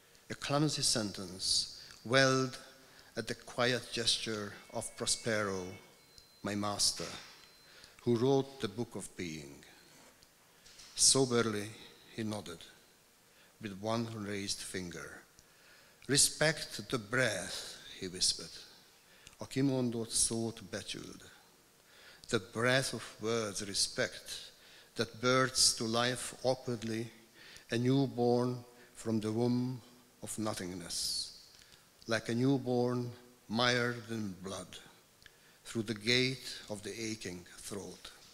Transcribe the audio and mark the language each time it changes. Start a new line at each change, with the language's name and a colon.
English: A clumsy sentence welled at the quiet gesture of Prospero, my master, who wrote the Book of Being. Soberly, he nodded with one raised finger. Respect the breath, he whispered.
Hungarian: A kimondott szót becsüld.
English: The breath of words, respect, that births to life awkwardly, a newborn from the womb of nothingness. Like a newborn mired in blood through the gate of the aching throat.